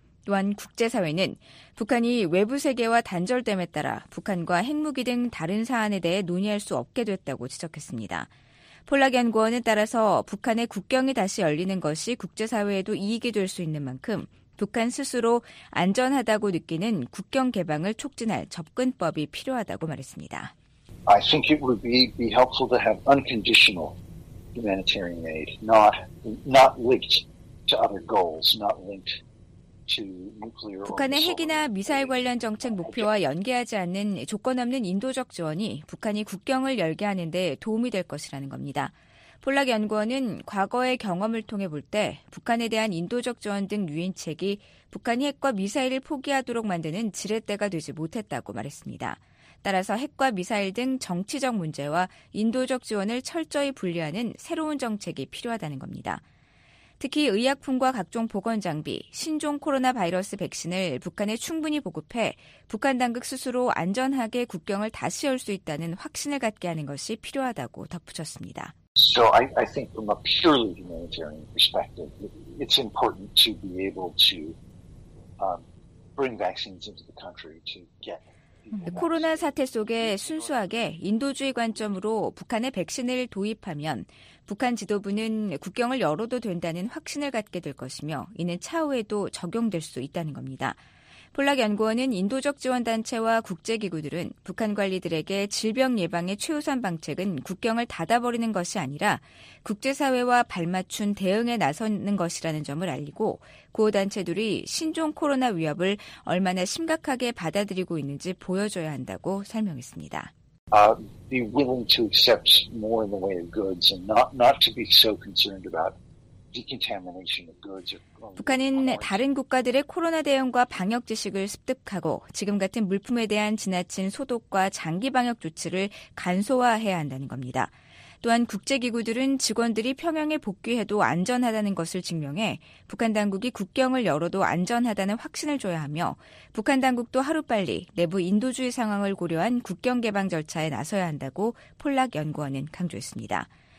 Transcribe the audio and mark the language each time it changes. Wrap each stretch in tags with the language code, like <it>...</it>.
<ko>또한 국제사회는 북한이 외부 세계와 단절됨에 따라 북한과 핵무기 등 다른 사안에 대해 논의할 수 없게 됐다고 지적했습니다. 폴락 연구원에 따라서 북한의 국경이 다시 열리는 것이 국제사회에도 이익이 될 수 있는 만큼 북한 스스로 안전하다고 느끼는 국경 개방을 촉진할 접근법이 필요하다고 말했습니다.</ko> <en>I think it would be helpful to have unconditional humanitarian aid, not linked to other goals, not linked.</en> <ko>북한의 핵이나 미사일 관련 정책 목표와 연계하지 않는 조건 없는 인도적 지원이 북한이 국경을 열게 하는 데 도움이 될 것이라는 겁니다. 폴락 연구원은 과거의 경험을 통해 볼 때 북한에 대한 인도적 지원 등 유인책이 북한이 핵과 미사일을 포기하도록 만드는 지렛대가 되지 못했다고 말했습니다. 따라서 핵과 미사일 등 정치적 문제와 인도적 지원을 철저히 분리하는 새로운 정책이 필요하다는 겁니다. 특히 의약품과 각종 보건장비, 신종 코로나 바이러스 백신을 북한에 충분히 보급해 북한 당국 스스로 안전하게 국경을 다시 열 수 있다는 확신을 갖게 하는 것이 필요하다고 덧붙였습니다.</ko> <en>So I think from a purely humanitarian perspective, it's important to be able to bring vaccines into the country to get</en> <ko>코로나 사태 속에 순수하게 인도주의 관점으로 북한에 백신을 도입하면 북한 지도부는 국경을 열어도 된다는 확신을 갖게 될 것이며 이는 차후에도 적용될 수 있다는 겁니다. 폴락 연구원은 인도적 지원단체와 국제기구들은 북한 관리들에게 질병 예방의 최우선 방책은 국경을 닫아버리는 것이 아니라 국제사회와 발맞춘 대응에 나서는 것이라는 점을 알리고 구호단체들이 신종 코로나 위협을 얼마나 심각하게 받아들이고 있는지 보여줘야 한다고 설명했습니다.</ko> <en>Be willing to accept more in the way of goods and not to be so concerned about</en> <ko>북한은 다른 국가들의 코로나 대응과 방역 지식을 습득하고 지금 같은 물품에 대한 지나친 소독과 장기 방역 조치를 간소화해야 한다는 겁니다. 또한 국제기구들은 직원들이 평양에 복귀해도 안전하다는 것을 증명해 북한 당국이 국경을 열어도 안전하다는 확신을 줘야 하며 북한 당국도 하루빨리 내부 인도주의 상황을 고려한 국경 개방 절차에 나서야 한다고 폴락 연구원은 강조했습니다.</ko>